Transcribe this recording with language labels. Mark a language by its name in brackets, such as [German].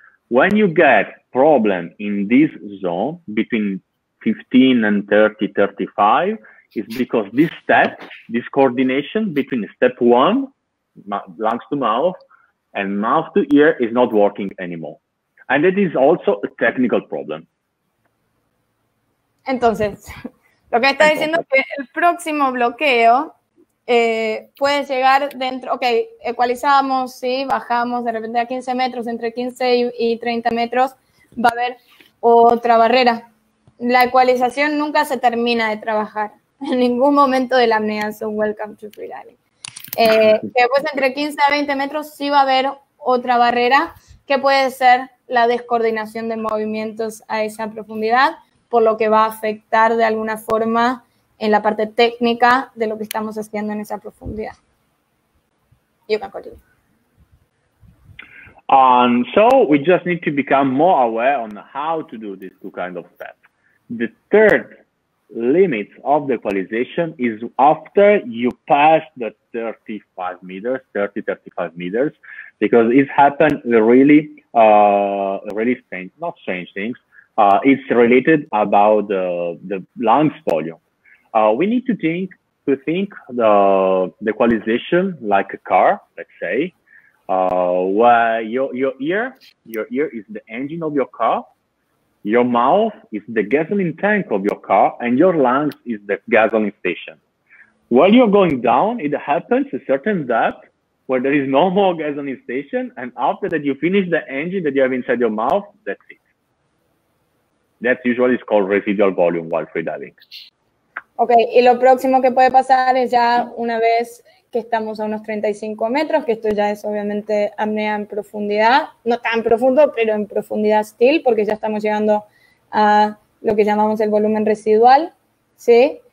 [English] When you get problem in this zone between 15 and 30, 35, is because this step, this coordination between step one, lungs to mouth, and mouth to ear is not working anymore. And it is also a technical problem. [Spanish] Entonces, lo que está diciendo es que el próximo bloqueo puede llegar dentro, ok, ecualizamos, sí, bajamos de repente a 15 metros, entre 15 y 30 metros, va a haber otra barrera. La ecualización nunca se termina de trabajar, en ningún momento de la apnea, so welcome to freediving. Después entre 15 a 20 metros sí va a haber otra barrera, que puede ser la descoordinación de movimientos a esa profundidad, por lo que va a afectar de alguna forma en la parte técnica de lo que estamos haciendo en esa profundidad. [English] You can continue. So we just need to become more aware on how to do these two kinds of steps. The third limit of the equalization is after you pass the 35 meters, 30, 35 meters, because it happened really, really strange, not strange things, it's related about the lungs volume. We need to think the equalization like a car, let's say, where your ear is the engine of your car, your mouth is the gasoline tank of your car, and your lungs is the gasoline station. While you're going down, it happens a certain depth where there is no more gasoline station, and after that you finish the engine that you have inside your mouth, that's it. That usually is called residual volume while freediving. [Spanish] Okay, y lo próximo que puede pasar es ya una vez que estamos a unos 35 metros, que esto ya es obviamente apnea en profundidad, no tan profundo, pero en profundidad still, porque ya estamos llegando a lo que llamamos el volumen residual, ¿sí?